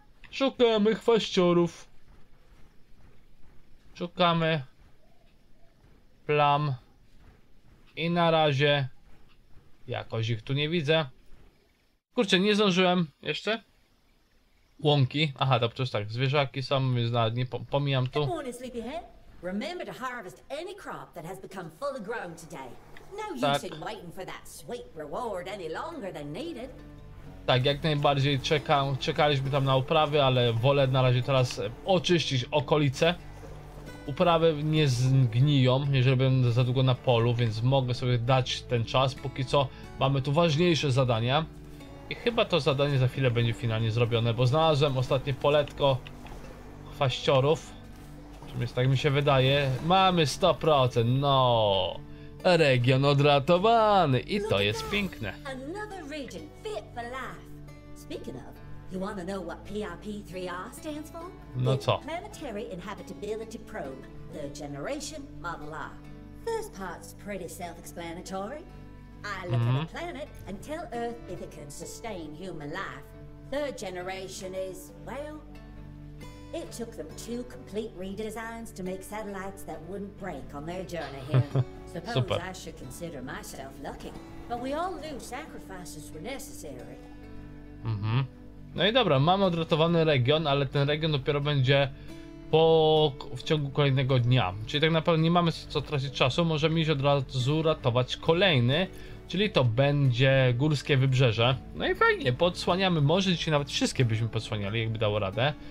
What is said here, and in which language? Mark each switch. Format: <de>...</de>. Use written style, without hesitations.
<pl>Szukamy chwaściorów. Szukamy plam. I na razie jakoś ich tu nie widzę. Kurczę, nie zdążyłem jeszcze. Łąki. Aha, to przecież tak, zwierzaki są, więc nawet nie pomijam tu.</pl> <en>Remember to harvest any crop that has become fully grown today. No use in waiting for that sweet reward any longer than needed.</en> <pl>Tak, jak najbardziej czekaliśmy tam na uprawy, ale wolę na razie teraz oczyścić okolice. Uprawy nie zgniją, jeżeli będę za długo na polu, więc mogę sobie dać ten czas. Póki co mamy tu ważniejsze zadania. I chyba to zadanie za chwilę będzie finalnie zrobione, bo znalazłem ostatnie poletko kwaściorów. Więc tak mi się wydaje. Mamy 100%, no. Region odratowany i to jest piękne.</pl> <en>Another region fit for life. Speaking of, you wanna know what PRP3R stands for?</en> <pl>No co?</pl> <en>Planetary Inhabitability Probe, the Generation Model R. First part's pretty self-explanatory. I look at a planet and tell Earth if it can sustain human life. Third generation is, well, it took them two complete redesigns to make satellites that wouldn't break on their journey here. Suppose I should consider myself lucky, but we all knew sacrifices were necessary. Mhm.</en> <pl>No i dobra, mamy odratowany region, ale ten region dopiero będzie w ciągu kolejnego dnia. Czyli tak naprawdę nie mamy co tracić czasu, możemy iść od razu ratować kolejny. Czyli to będzie górskie wybrzeże. No i fajnie, podsłaniamy morze, dzisiaj nawet wszystkie byśmy podsłaniali, jakby dało radę.</pl>